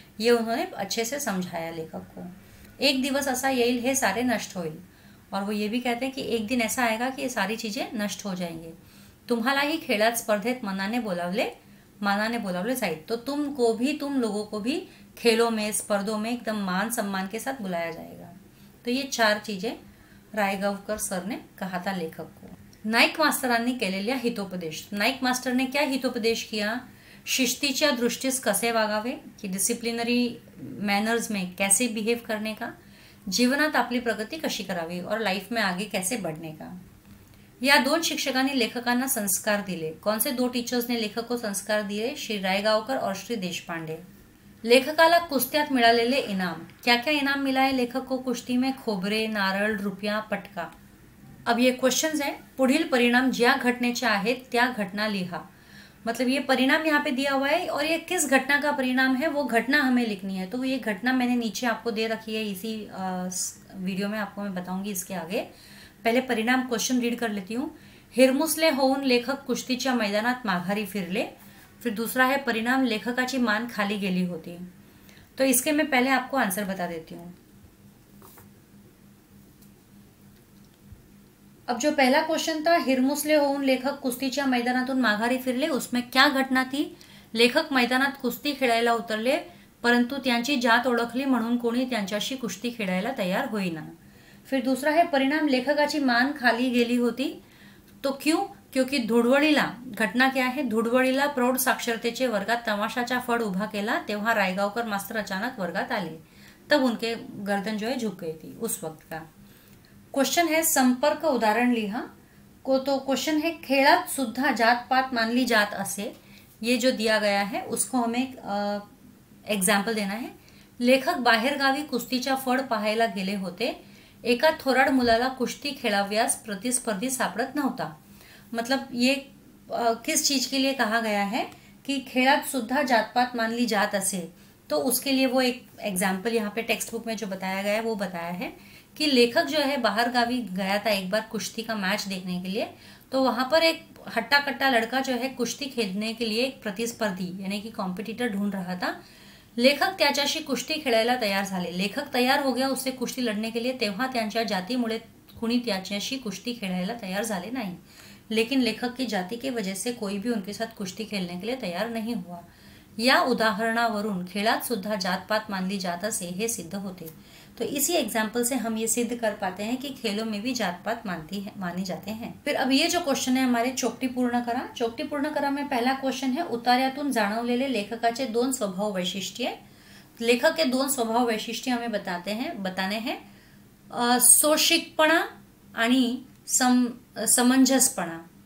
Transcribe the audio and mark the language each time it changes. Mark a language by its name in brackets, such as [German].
[Hindi] ये उन्होंने अच्छे से समझाया लेखक को। [Marathi] एक दिवस ऐसा येईल हे सारे नष्ट होईल [Hindi] और वो ये भी कहते हैं कि एक दिन ऐसा आएगा कि ये सारी चीजें नष्ट हो जाएंगे। [Marathi] तुम्हाला ही खेळात स्पर्धेत मनाने बोलावले जाईल [Hindi] तो तुमको भी तुम लोगों को भी खेलों में स्पर्धों में एकदम मान सम्मान के साथ बुलाया जाएगा। तो ये चार चीजें रायगावकर सर ने कहा था लेखक को। [Marathi] नाईक मास्तरांनी केलेल्या हितोपदेश। [Hindi] नाईक मास्टर ने क्या हितोपदेश किया? [Marathi] शिस्तीच्या दृष्टीस कसे वागावे [Hindi] कि डिसिप्लिनरी मैनर्स में कैसे बिहेव करने का, [Marathi] जीवनात आपली प्रगती कशी करावी [Hindi] और लाइफ में आगे कैसे बढ़ने का। [Marathi] या दोन शिक्षकांनी लेखकांना संस्कार दिले। [Hindi] कौन से दो टीचर्स ने लेखक को संस्कार दिए? श्री रायगावकर और श्री देशपांडे। [Marathi] लेखकाला कुस्त्यात मिळालेले इनाम। [Hindi] क्या क्या इनाम मिला है लेखक को कुश्ती में? [Marathi] खोबरे, नारळ, रुपया, पटका। [Hindi] अब ये क्वेश्चंस हैं। [Marathi] पुढील परिणाम ज्या घटनेचे आहेत त्या घटना लिहा। [Hindi] मतलब ये परिणाम यहाँ पे दिया हुआ है और ये किस घटना का परिणाम है वो घटना हमें लिखनी है। तो ये घटना मैंने नीचे आपको दे रखी है इसी वीडियो में, आपको मैं बताऊंगी इसके आगे। पहले परिणाम क्वेश्चन रीड कर लेती हूँ। [Marathi] हिरमुसले होऊन लेखक कुश्तीच्या मैदानात माघारी फिरले। फिर दूसरा है परिणाम लेखकाची मान खाली गेली होती। [Hindi] तो इसके मैं पहले आपको आंसर बता देती हूँ। अब जो पहला क्वेश्चन था [Marathi] हिरमुसले होऊन लेखक कुस्तीच्या मैदानातून माघारी फिरले, [Hindi] उसमें क्या घटना थी? [Marathi] लेखक मैदानात कुस्ती खेळायला उतरले, परंतु त्यांची जात ओळखली म्हणून कोणी त्यांच्याशी कुस्ती खेळायला तयार होईना। [Hindi] फिर दुसरा है परिणाम, [Marathi] लेखकाची मान खाली गेली होती, [Hindi] तो क्यों? क्योंकि धुडवळीला, घटना क्या है, [Marathi] धुडवळीला प्रौढ साक्षरतेचे वर्गात तमाशाचा फड उभा केला, तेव्हा रायगावकर मास्तर अचानक वर्गात आले, [Hindi] तब उनके गर्दन जो है झुक गई थी उस वक्त का। क्वेश्चन है [Marathi] संपर्क उदाहरण लिहा [Hindi] को, तो क्वेश्चन है [Marathi] खेळात सुद्धा जात पात मानली जात असे, [Hindi] ये जो दिया गया है उसको हमें एग्जाम्पल देना है। [Marathi] लेखक बाहेर गावी कुस्तीचा फड पाहायला गेले होते, एका थोराड मुलाला कुश्ती खेळाव्यास प्रतिस्पर्धी सापडत नव्हता। [Hindi] मतलब ये किस चीज के लिए कहा गया है कि [Marathi] खेळात सुद्धा जातपात मानली जात असे, [Hindi] तो उसके लिए वो एक एग्जाम्पल यहाँ पे टेक्स्ट बुक में जो बताया गया है वो बताया है कि लेखक जो है बाहर गावी गया था एक बार कुश्ती का मैच देखने के लिए, तो वहां पर एक हट्टा कट्टा लड़का जो है कुश्ती खेलने के लिए एक प्रतिस्पर्धी यानी कि कॉम्पिटिटर ढूंढ रहा था। [Marathi] लेखक त्याच्याशी कुश्ती खेळायला तयार झाले, [Hindi] लेखक तयार हो गया उससे कुश्ती लढने के लिए, [Marathi] तेव्हा त्यांच्या जातीमुळे कुणी त्याच्याशी कुश्ती खेळायला तयार झाले नाही, [Hindi] लेकिन लेखक की जाति के वजह से कोई भी उनके साथ कुश्ती खेलने के लिए तैयार नहीं हुआ। [Marathi] या उदाहरणावरून खेळात सुद्धा जातपात मानली जात असे हे सिद्ध होते, [Hindi] तो इसी एग्जाम्पल से हम ये सिद्ध कर पाते हैं कि खेलों में भी जातपात मानती है माने जाते हैं। फिर अब ये जो क्वेश्चन है हमारे चौकटी पूर्ण करा में पहला क्वेश्चन है [Marathi] उतार्यातून जाणवलेले लेखकाचे दोन स्वभाव वैशिष्ट्य, [Hindi] लेखक के दोन स्वभाव वैशिष्ट्य हमें बताने हैं [Marathi] सोशिकपणा आणि समंजसपणा।